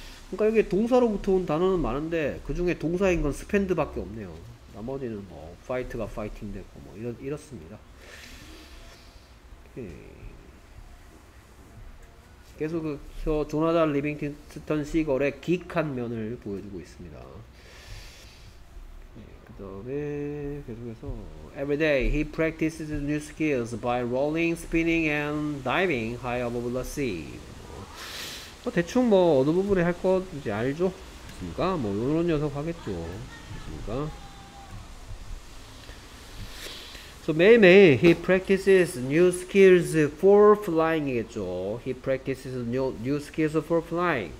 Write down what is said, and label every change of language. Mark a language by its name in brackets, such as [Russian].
[Korean] 그러니까 여기 동사로부터 온 단어는 많은데 그중에 동사인 건 spend밖에 없네요. 나머지는 뭐 fight가 fighting 되고 뭐 이렇습니다. 계속해서 조나단 리빙스턴 시걸의 기이한 면을 보여주고 있습니다. [English] 그다음에 계속해서 every day he practices new skills by rolling, spinning, and diving high above the sea. [Korean] 뭐 대충 뭐 어느 부분에 할 건지 알죠? 그러니까 뭐 이런 녀석 하겠죠. [English] 그러니까 so [Korean] 매일매일 [English] he practices new skills for flying이겠죠. he practices new skills for flying.